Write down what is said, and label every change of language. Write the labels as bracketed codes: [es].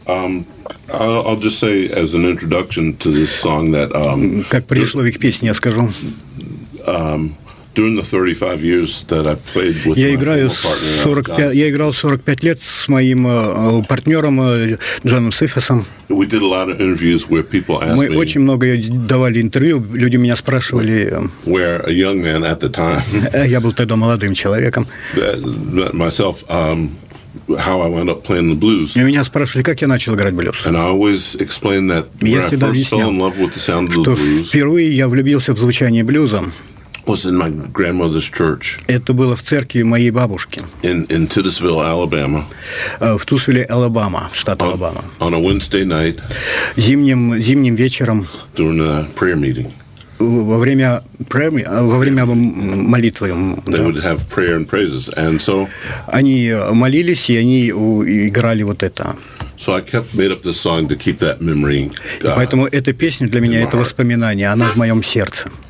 [en] I'll just say as an introduction to this song that. [ru] Как предисловие к песне я скажу. [en] During the 35 years that I played with my former partner, 45, [ru] я играл 45 лет с моим партнером Джоном Сифосом. [en] We did a lot of interviews where people asked [ru] мы очень много давали интервью, люди меня спрашивали. [en] Where a young man at the time. [ru] Я был тогда молодым человеком. [en] Myself, how I wound up playing the blues. [ru] И меня спрашивали, как я начал играть блюз. [en] And I always explained that when I first fell in love with the sound of the blues. [ru] Впервые я влюбился в звучание блюза. [en] Was in my grandmother's church. [ru] Это было в церкви моей бабушки. [en] In Titusville, Alabama. [ru] В Тусвилле, Алабама, штат Алабама. [en] On a Wednesday night. [ru] Зимним вечером. [en] During a prayer meeting. [ru] во время премии, во время молитвы. [en] They would have prayer and praises, and so. [ru] Они молились и они играли вот это. [en] So I kept made up this song to keep that memory. [ru] Поэтому эта песня для меня это воспоминание, она в моем сердце.